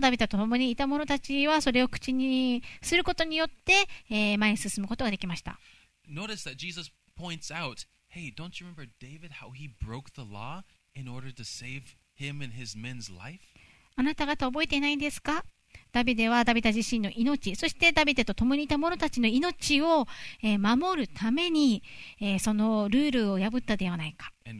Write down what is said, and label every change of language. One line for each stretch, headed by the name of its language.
Japanese: ダビデと共にいた者たちはそれを口にすることによって、前に進むことができました。
English: Notice that Jesus points out, Hey, don't you remember David, how he broke the law in order to save him and his men's life?
Japanese: あなた方覚えていないんですか？ダビデはダビデ自身の命、そしてダビデと共にいた者たちの命を、守るために、そのルールを破ったではないか。